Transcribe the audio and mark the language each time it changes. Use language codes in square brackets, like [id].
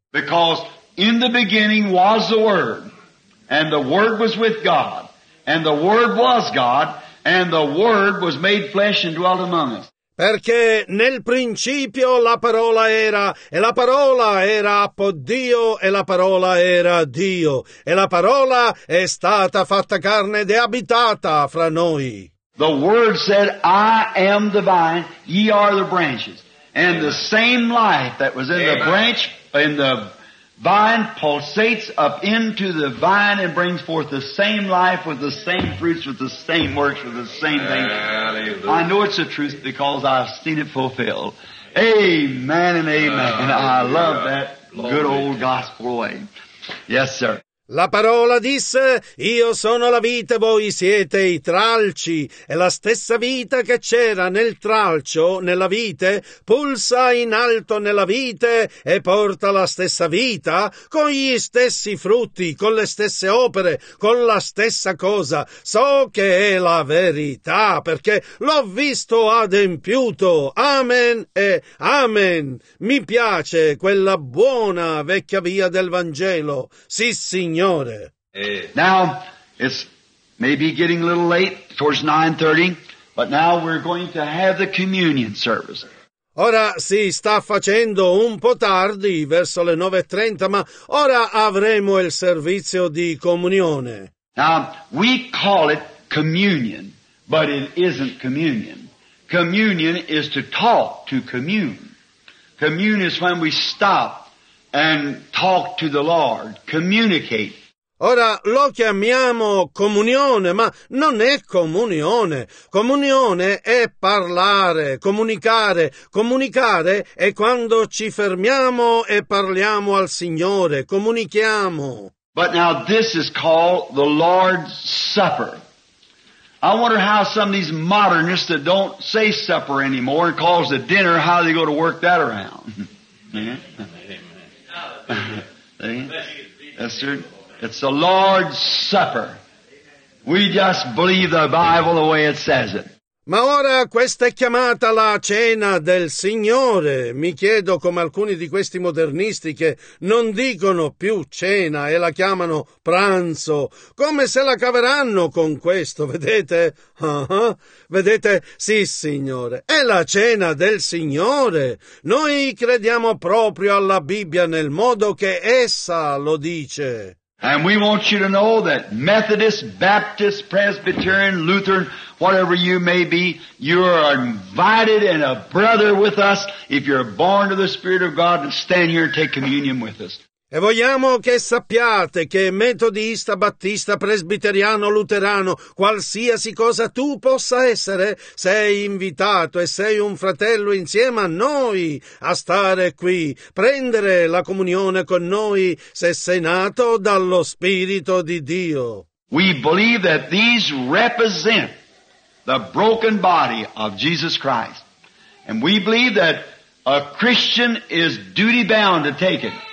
[en] Because in the beginning was the Word, and the Word was with God, and the Word was God, and the Word was made flesh and dwelt among us. [it] Perché nel principio la parola era, e la parola era appoddio, e la parola era Dio, e la parola è stata fatta carne ed è abitata fra noi. [en] The Word said, I am the vine, ye are the branches. And the same life that was in the branch, in the vine, pulsates up into the vine and brings forth the same life with the same fruits, with the same works, with the same things. I know it's the truth because I've seen it fulfilled. Amen and amen. And I love that good old gospel way. Yes, sir. [it] La parola disse, io sono la vite, voi siete i tralci, e la stessa vita che c'era nel tralcio, nella vite, pulsa in alto nella vite e porta la stessa vita, con gli stessi frutti, con le stesse opere, con la stessa cosa. So che è la verità, perché l'ho visto adempiuto. Amen e amen. Mi piace quella buona vecchia via del Vangelo. Sì, Signore. [en] Now, it's maybe getting a little late, towards 9:30, but now we're going to have the communion service. [it] Ora si sta facendo un po' tardi, verso le 9:30, ma ora avremo il servizio di comunione. [en] Now, we call it communion, but it isn't communion. Communion is to talk, to commune. Commune is when we stop and talk to the Lord, communicate. [it] Ora lo chiamiamo comunione, ma non è comunione. Comunione è parlare, comunicare. Comunicare è quando ci fermiamo e parliamo al Signore, comunichiamo. [en] But now this is called the Lord's Supper. I wonder how some of these modernists that don't say supper anymore and calls it dinner, how they go to work that around. Esther, it's the Lord's Supper. We just believe the Bible the way it says it. [it] Ma ora questa è chiamata la cena del Signore. Mi chiedo come alcuni di questi modernisti che non dicono più cena e la chiamano pranzo, come se la caveranno con questo, vedete? Vedete? Sì, Signore, è la cena del Signore. Noi crediamo proprio alla Bibbia nel modo che essa lo dice. [en] And we want you to know that Methodist, Baptist, Presbyterian, Lutheran, whatever you may be, you are invited and a brother with us if you're born of the Spirit of God and stand here and take communion with us. [it] E vogliamo che sappiate che metodista, battista, presbiteriano, luterano, qualsiasi cosa tu possa essere, sei invitato e sei un fratello insieme a noi a stare qui, prendere la comunione con noi se sei nato dallo Spirito di Dio. [en] We believe that these represent the broken body of Jesus Christ. And we believe that a Christian is duty bound to take it.